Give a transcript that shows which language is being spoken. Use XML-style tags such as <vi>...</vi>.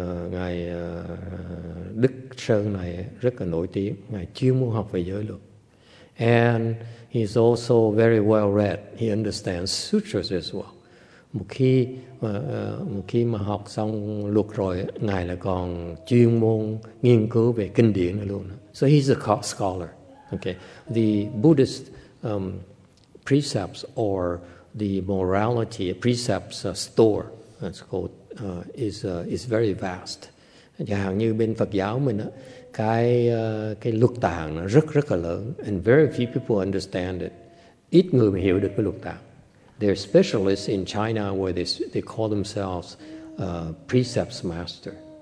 <vi>Ngài Đức Sơn này rất là nổi tiếng, ngài chuyên môn học về giới luật.</vi> <en>And he's also very well read. He understands sutras as well.</en> <vi>Một khi mà học xong luật rồi, ngài là còn chuyên môn nghiên cứu về kinh điển luôn.</vi> <en>So he's a scholar. Okay, the Buddhist precepts or the morality precepts store, it's called, is very vast.</en> <vi>Chẳng hạn như bên Phật giáo mình á, cái luật tạng nó rất là lớn,</vi> <en>and very few people understand it.</en> <vi>Ít người mà hiểu được cái luật tạng.</vi> <en>There are specialists in China where they call themselves precepts master.</en>